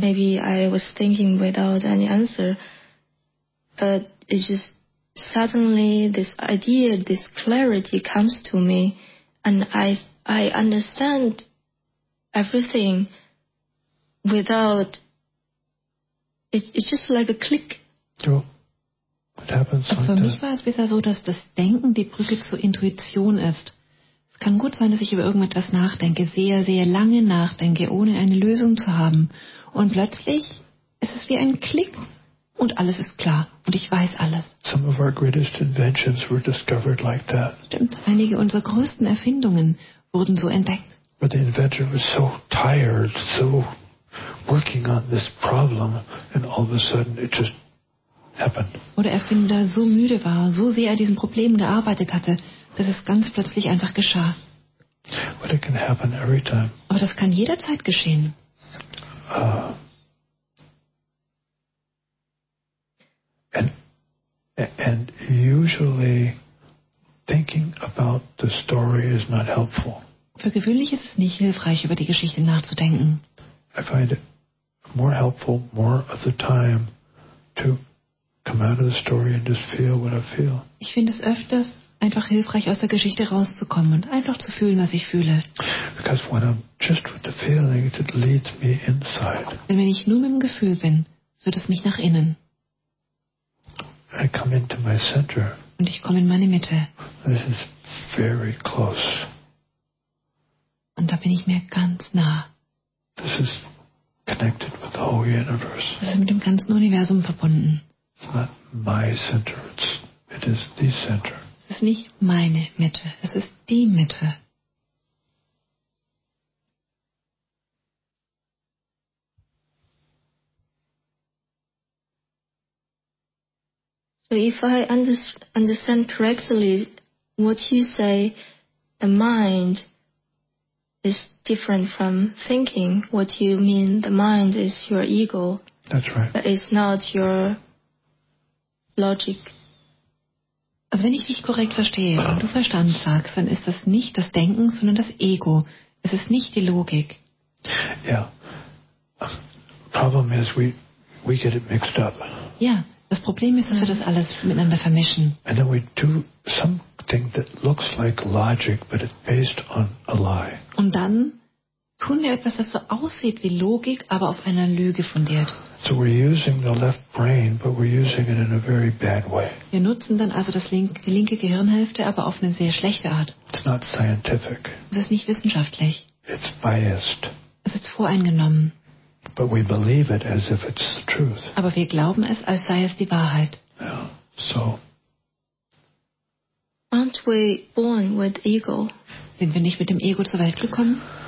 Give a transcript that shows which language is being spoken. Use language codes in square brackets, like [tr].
[en] Maybe I was thinking without any answer, but it just suddenly this idea, this clarity comes to me, and I understand everything without it's just like a click. Sure. It happens [de] also [en] like [de] für [en] that. [de] Mich war es bisher so, dass das Denken die Brücke zur Intuition ist. Es kann gut sein, dass ich über irgendetwas nachdenke, sehr, sehr lange nachdenke, ohne eine Lösung zu haben. Und plötzlich ist es wie ein Klick und alles ist klar und ich weiß alles. [en] Some of our greatest inventions were discovered like that. [de] Stimmt, einige unserer größten Erfindungen wurden so entdeckt. [en] But the inventor was so tired, so working on this problem, and all of a sudden it just happened. [de] Oder Erfinder so müde war, so sehr er diesen Problemen gearbeitet hatte, dass es ganz plötzlich einfach geschah. [en] But it can happen every time. [de] Aber das kann jederzeit geschehen. [en] And usually thinking about the story is not helpful. [de] Für gewöhnlich ist es nicht hilfreich, über die Geschichte nachzudenken. [en] I find it more helpful more of the time to come out of the story and just feel what I feel. [de] Ich finde es öfters einfach hilfreich, aus der Geschichte rauszukommen und einfach zu fühlen, was ich fühle. [en] Because when I'm just with the feeling, it leads me inside. [de] Denn wenn ich nur mit dem Gefühl bin, führt es mich nach innen. [en] I come into my center. [de] Und ich komme in meine Mitte. [en] This is very close. [de] Und da bin ich mir ganz nah. [en] This is connected with the whole universe. [de] Das ist mit dem ganzen Universum verbunden. [en] It's not my center, it is the center. [de] Es ist nicht meine Mitte, es ist die Mitte. [en] So if I understand correctly what you say, the mind is different from thinking. What you mean, the mind is your ego. That's right. But it's not your logic. [de] Also wenn ich dich korrekt verstehe, wenn du Verstand sagst, dann ist das nicht das Denken, sondern das Ego. Es ist nicht die Logik. [en] Yeah. Problem is we get it mixed up. Yeah. [de] Das Problem ist, dass wir das alles miteinander vermischen. [en] And then we do some thing that looks like logic, but it's based on a lie. [de] Und dann tun wir etwas, das so aussieht wie Logik, aber auf einer Lüge fundiert. [en] So we're using the left brain, but we're using it in a very bad way. [de] Wir nutzen dann also die linke Gehirnhälfte, aber auf eine sehr schlechte Art. [en] It's not scientific. [de] Es ist nicht wissenschaftlich. [en] It's biased. [de] Es ist voreingenommen. [en] But we believe it as if it's the truth. [de] Aber wir glauben es, als sei es die Wahrheit. [en] Yeah. So. Aren't we born with ego? [de] Sind wir nicht mit dem Ego zur Welt gekommen?